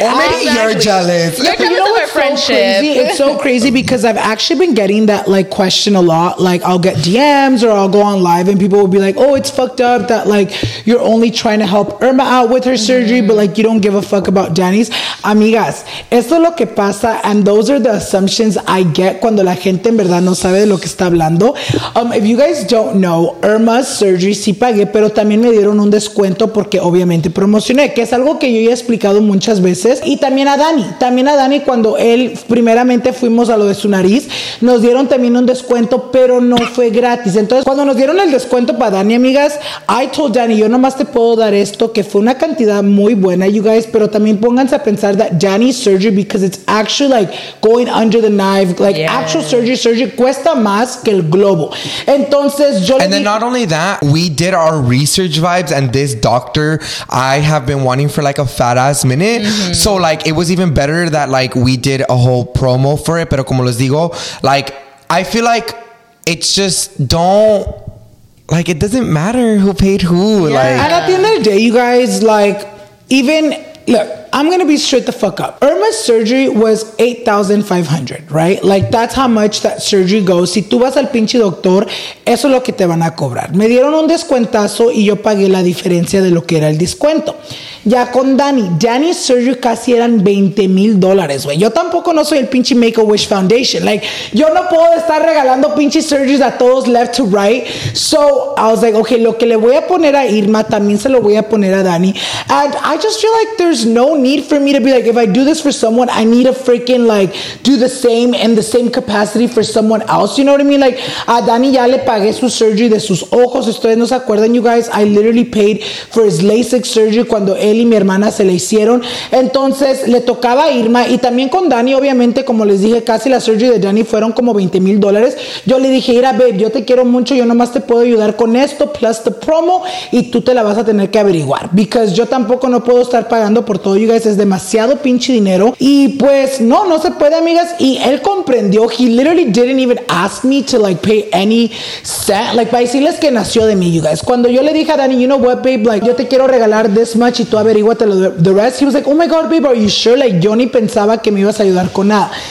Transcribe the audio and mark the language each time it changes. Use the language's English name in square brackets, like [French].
[English] Or maybe you're jealous. You know what's friendship. So crazy? It's so crazy because I've actually been getting that like question a lot. Like, I'll get DMs or I'll go on live and people will be like, oh, it's fucked up that like you're only trying to help Irma out with her surgery, but like you don't give a fuck about Danny's. [Spanish] Amigas, eso es lo que pasa, [English] and those are the assumptions I get [Spanish] cuando la gente en verdad no sabe de lo que está hablando. [English] If you guys don't know, Irma's surgery [Spanish] sí pagué, pero también me dieron un descuento porque obviamente promocioné, que es algo que yo ya he explicado muchas veces. Y también a Danny cuando él primeramente fuimos a lo de su nariz, nos dieron también un descuento, pero no fue gratis. Entonces, cuando nos dieron el descuento para Dani, amigas, [English] I told Dani, [Spanish] yo nomás te puedo dar esto, que fue una cantidad muy buena, you guys, pero también pónganse a pensar [English] that Dani's surgery, because it's actually like going under the knife, like, yeah, actual surgery [Spanish] cuesta más que el globo. Entonces, yo [English] and le then not only that, we did our research vibes, and this doctor I have been wanting for like a fat ass minute. Mm-hmm. So like, it was even better that like we did a whole promo for it. [Spanish] Pero como les digo, [English] like, I feel like it's just don't, like, it doesn't matter who paid who. Yeah. Like, and at the end of the day, you guys, like, even, look, I'm going to be straight the fuck up. Irma's surgery was $8,500, right? Like, that's how much that surgery goes. [Spanish] Si tú vas al pinche doctor, eso es lo que te van a cobrar. Me dieron un descuentazo y yo pagué la diferencia de lo que era el descuento. Ya con Dani, Dani's surgery casi eran $20,000, güey. Yo tampoco no soy el pinche Make-A-Wish Foundation. Like, yo no puedo estar regalando pinche surgeries a todos [English] left to right. So, I was like, okay, [Spanish] lo que le voy a poner a Irma, también se lo voy a poner a Dani. [English] And I just feel like there's no need for me to be like, if I do this for someone, I need to freaking like do the same in the same capacity for someone else. You know what I mean? [Spanish] Like, a Dani ya le pagué su surgery de sus ojos. Ustedes no se acuerdan, you guys? [English] I literally paid for his LASIK surgery [Spanish] cuando él y mi hermana se le hicieron. Entonces, le tocaba a Irma. Y también con Dani, obviamente, como les dije, casi la surgery de Dani fueron como $20,000. Yo le dije, mira, babe, yo te quiero mucho. Yo nomás te puedo ayudar con esto, [English] plus the promo. [Spanish] Y tú te la vas a tener que averiguar. Because yo tampoco no puedo estar pagando por todo, you guys. Es demasiado pinche dinero. Y pues, no, no se puede, amigas. Y él comprendió. [English] He literally didn't even ask me to, like, pay any cent. [Spanish] Like, para decirles que nació de mí, you guys. Cuando yo le dije a Dani, [English] you know what, babe? Like, [Spanish] yo te quiero regalar [English] this much [Spanish] y tú averíguatelo [English] the rest. He was like, oh, my God, babe, are you sure? [Spanish] Like, yo ni pensaba que me ibas a ayudar con nada.